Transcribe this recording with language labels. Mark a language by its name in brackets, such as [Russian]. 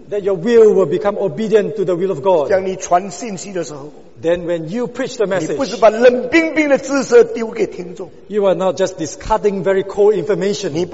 [English] That your will will become obedient to the will of God. [Chinese] 将你传信息的时候。 [English] Then when you preach the message, [Chinese] 你不是把冷冰冰的知识丢给听众, [English] you are not just discarding very cold information.